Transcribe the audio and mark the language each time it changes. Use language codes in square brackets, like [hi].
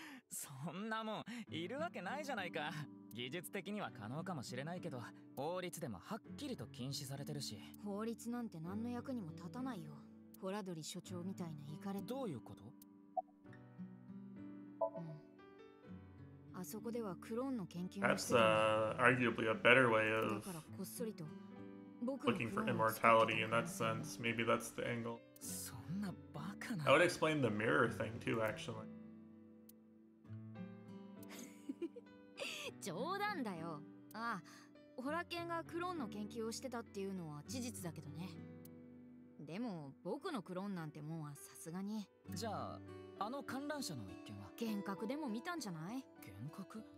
[ja] そんなもんいるわけないじゃないか。技術的には可能かもしれないけど、法律でもはっきりと禁止されてるし。法律なんて何の役にも立たないよ。法ホラドリ所長みたいなイカレ。どういうこと？あそこではクローンの研究をしてる。 [en] That's arguably a better way of looking for immortality in that sense. Maybe that's the angle. [ja] そんなバカな。 [en] I would explain the mirror thing too, actually. [ja] 冗談だよ。ああ、ホラケンがクローンの研究をしてたっていうのは事実だけどね。でも僕のクローンなんてもんはさすがに。じゃあ、あの観覧車の一件は幻覚でも見たんじゃない？幻覚？